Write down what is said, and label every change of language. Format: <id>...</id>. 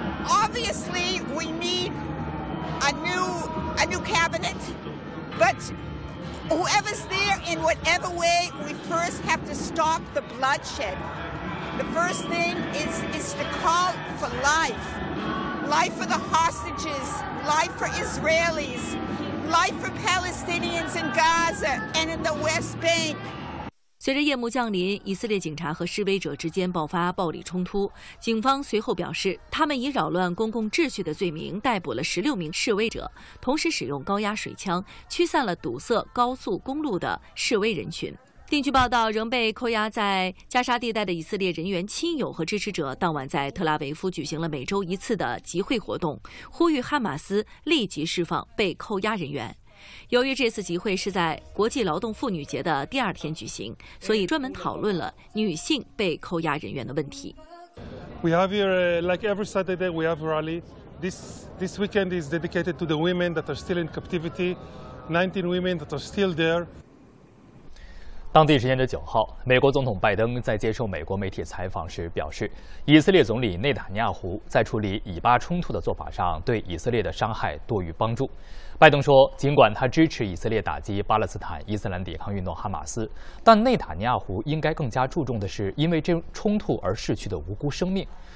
<en>Obviously, we need a new cabinet, but whoever's there, in whatever way, we first have to stop the bloodshed. The first thing is to call for life. Life for the hostages, life for Israelis, life for Palestinians in Gaza and in the West Bank.</en> <zh>随着夜幕降临，以色列警察和示威者之间爆发暴力冲突。警方随后表示，他们以扰乱公共秩序的罪名逮捕了16名示威者，同时使用高压水枪驱散了堵塞高速公路的示威人群。另据报道，仍被扣押在加沙地带的以色列人员亲友和支持者当晚在特拉维夫举行了每周一次的集会活动，呼吁哈马斯立即释放被扣押人员。由于这次集会是在国际劳动妇女节的第二天举行，所以专门讨论了女性被扣押人员的问题。</zh> <en>We have here, like every Saturday, we have a rally. This weekend is dedicated to the women that are still in captivity. 19 women that are still there.</en> <zh>当地时间的9号，美国总统拜登在接受美国媒体采访时表示，以色列总理内塔尼亚胡在处理以巴冲突的做法上对以色列的伤害多于帮助。拜登说，尽管他支持以色列打击巴勒斯坦伊斯兰抵抗运动哈马斯，但内塔尼亚胡应该更加注重的是因为这冲突而逝去的无辜生命。</zh>